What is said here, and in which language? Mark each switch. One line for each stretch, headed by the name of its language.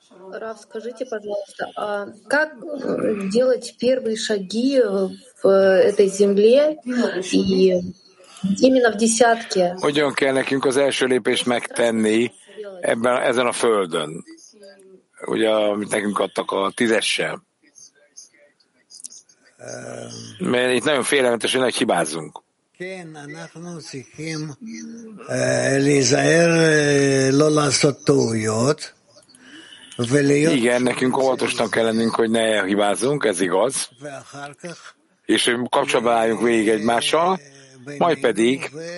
Russian: Раф, скажите, пожалуйста, а как делать первые шаги в этой земле и именно в десятке?
Hungarian: Hogyan kell nekünk az első lépést megtenni ebben, ezen a földön? Ugye, amit nekünk adtak a tízessel. Mert itt nagyon félelmetes, hogy nagy hibázzunk. Igen,
Hebrew: אנחנו צריכים להיזהר לא לעשות טעויות.
Hungarian: Igen, nekünk óvatosnak kell lennünk, hogy ne hibázzunk, ez igaz. És hogy kapcsolatban álljunk végig egymással, majd pedig.